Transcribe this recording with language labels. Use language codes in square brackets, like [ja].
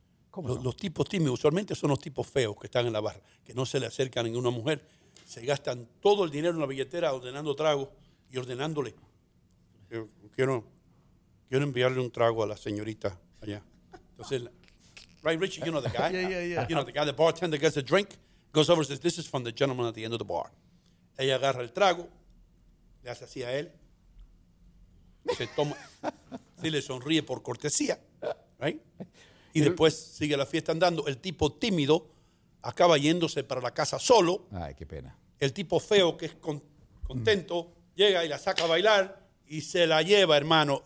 [es] ¿Cómo los tipos tímidos, usualmente son los tipos feos que están en la barra, que no se le acercan a ninguna mujer, se gastan todo el dinero en la billetera ordenando tragos. Y ordenándole, quiero enviarle un trago a la señorita allá. Entonces, [en] right, Richie, you know the guy? Yeah. You know the guy, the bartender gets a drink, goes over and says, this is from the gentleman at the end of the bar. [es] Ella agarra el trago, le hace así a él, se toma, sí, le sonríe por cortesía, [en] right? [es] Y después sigue la fiesta andando. El tipo tímido acaba yéndose para la casa solo. Ay, qué pena. El tipo feo, que es contento, llega y la saca a bailar y se la lleva, hermano.